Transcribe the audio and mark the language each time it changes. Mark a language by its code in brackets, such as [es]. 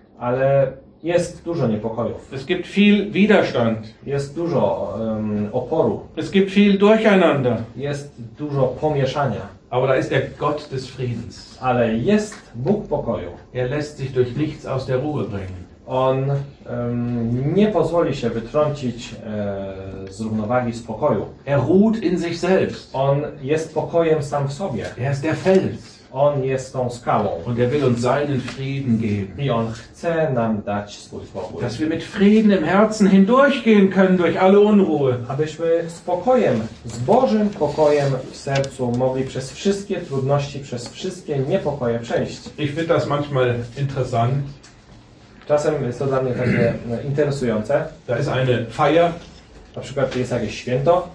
[pl] Ale jest dużo niepokojów. [de] Es gibt viel Widerstand. [pl] Jest dużo oporu. [de] Es gibt viel Durcheinander. [pl] Jest dużo pomieszania. [de] Aber da ist der Gott des Friedens. [pl] Ale jest Bóg pokoju. [de] Er lässt sich durch nichts aus der Ruhe bringen. [pl] On nie pozwoli się wytrącić z równowagi, z pokoju. [de] Er ruht in sich selbst. [pl] On jest pokojem sam w sobie. [de] Er ist der Fels. [pl] On jest tą skałą. [de] Und er will uns seinen Frieden geben. [pl] I on chce nam dać swój pokój. [de] Dass wir mit Frieden im Herzen hindurchgehen können durch alle Unruhe. [pl] Abyśmy z pokojem, z Bożym pokojem w sercu mogli przez wszystkie trudności, przez wszystkie niepokoje przejść. [de] Ich finde das manchmal interessant. [pl] Czasem jest to dla mnie takie interesujące. [de] Da ist eine Feier. [pl] Na przykład jest jakieś święto.